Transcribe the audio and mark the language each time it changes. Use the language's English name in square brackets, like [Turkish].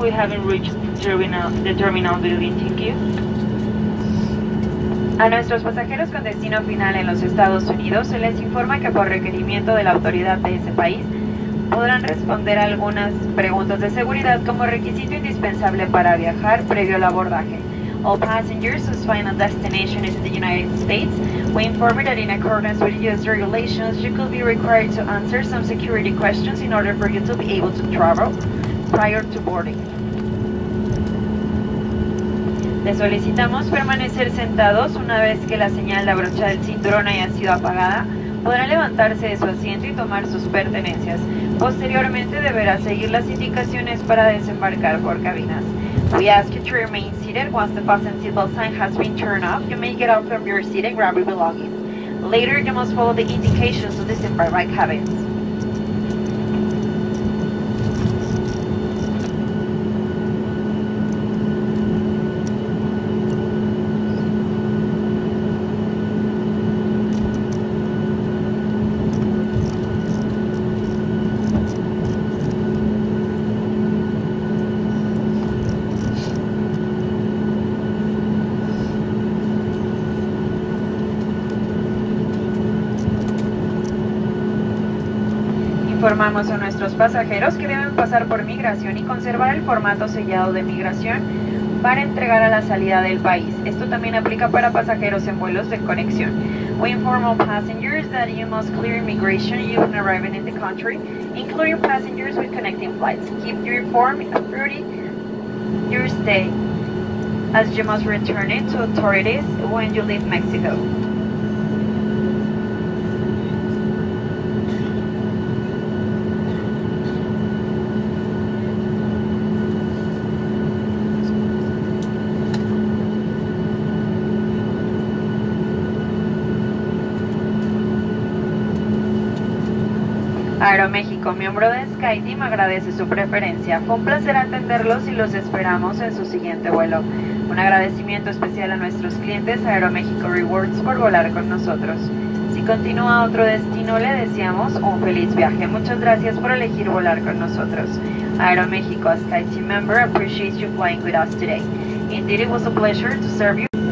[English] We haven't reached the terminal building. Thank you. [Spanish] A nuestros pasajeros con destino final en los Estados Unidos se les informa que por requerimiento de la autoridad de ese país podrán responder algunas preguntas de seguridad como requisito indispensable para viajar previo al abordaje. [English] All passengers whose final destination is the United States, we inform you that in accordance with U.S. regulations, you could be required to answer some security questions in order for you to be able to travel prior to boarding. [Spanish] Les solicitamos permanecer sentados una vez que la señal de abrocha del cinturón haya sido apagada. Podrá levantarse de su asiento y tomar sus pertenencias. Posteriormente deberá seguir las indicaciones para desembarcar por cabinas. [English] We ask you to remain seated once the fasten seatbelt sign has been turned off. You may get out from your seat and grab your belongings. Later, you must follow the indications to disembark by cabins. [Spanish] Informamos a nuestros pasajeros que deben pasar por migración y conservar el formato sellado de migración para entregar a la salida del país. Esto también aplica para pasajeros en vuelos de conexión. [English] We inform all passengers that you must clear immigration when arriving in the country, including passengers with connecting flights. Keep your form ready your stay, as you must return it to authorities when you leave Mexico. [Spanish] Aeroméxico, miembro de SkyTeam, agradece su preferencia. Fue un placer atenderlos y los esperamos en su siguiente vuelo. Un agradecimiento especial a nuestros clientes Aeroméxico Rewards por volar con nosotros. Si continúa a otro destino, le deseamos un feliz viaje. Muchas gracias por elegir volar con nosotros. [English] Aeroméxico, a SkyTeam member, appreciates you flying with us today. Indeed, it was a pleasure to serve you.